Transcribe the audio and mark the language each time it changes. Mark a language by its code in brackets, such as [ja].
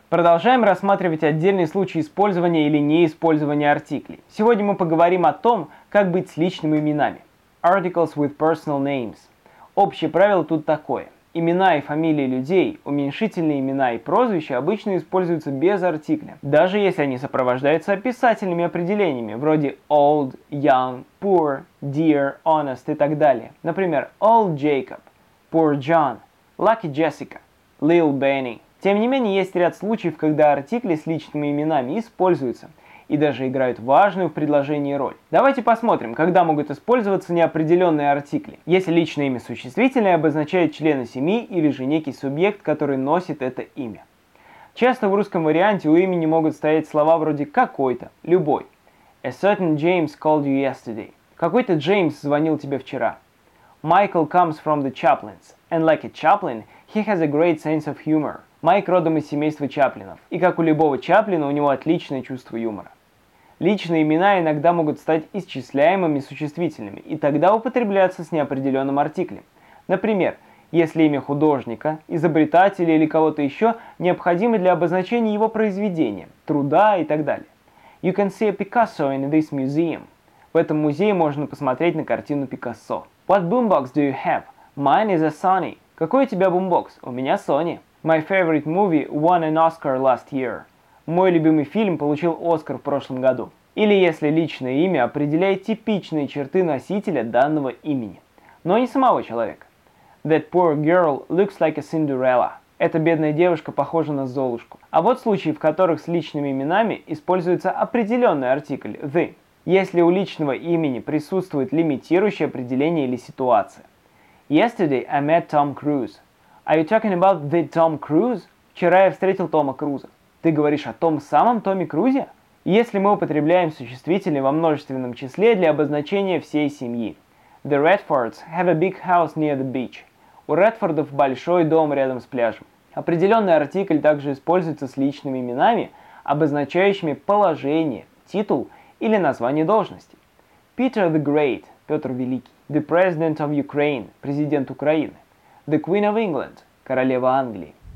[ru] Продолжаем рассматривать отдельные случаи использования или неиспользования артиклей. Сегодня мы поговорим о том, как быть с личными именами. [en] Articles with personal names. [ru] Общее правило тут такое. Имена и фамилии людей, уменьшительные имена и прозвища обычно используются без артикля, даже если они сопровождаются описательными определениями, вроде old, young, poor, dear, honest и так далее. Например, [en] old Jacob, poor John, lucky Jessica, little Benny. [ru] Тем не менее, есть ряд случаев, когда артикли с личными именами используются и даже играют важную в предложении роль. Давайте посмотрим, когда могут использоваться неопределенные артикли. Если личное имя существительное, обозначает члена семьи или же некий субъект, который носит это имя. Часто в русском варианте у имени могут стоять слова вроде «какой-то», «любой». [en] A certain James called you yesterday. [ru] Какой-то Джеймс звонил тебе вчера. [en] Michael comes from the Chaplins. And like a chaplain, he has a great sense of humor. [ru] Майк родом из семейства Чаплинов, и как у любого Чаплина, у него отличное чувство юмора. Личные имена иногда могут стать исчисляемыми существительными, и тогда употребляться с неопределенным артиклем. Например, если имя художника, изобретателя или кого-то еще необходимо для обозначения его произведения, труда и так далее. [en] You can see a Picasso in this museum. [ru] В этом музее можно посмотреть на картину Пикассо. [en] What boombox do you have? Mine is a Sony. [ru] Какой у тебя бумбокс? У меня Sony. [en] My favorite movie won an Oscar last year. [ru] Мой любимый фильм получил Оскар в прошлом году. Или если личное имя определяет типичные черты носителя данного имени, но не самого человека. [en] That poor girl looks like a Cinderella. [ru] Эта бедная девушка похожа на Золушку. А вот случаи, в которых с личными именами используется определенный артикль the, если у личного имени присутствует лимитирующее определение или ситуация. [en] Yesterday I met Tom Cruise. Are you talking about the Tom Cruise? [ru] Вчера я встретил Тома Круза. Ты говоришь о том самом Томе Крузе? Если мы употребляем существительные во множественном числе для обозначения всей семьи. [en] The Redfords have a big house near the beach. [ru] У Редфордов большой дом рядом с пляжем. Определенный артикль также используется с личными именами, обозначающими положение, титул или название должности. [en] Peter the Great, [ru] Петр Великий. [en] The President of Ukraine, [ru] президент Украины. [en] The Queen of England, [ru] королева Англии.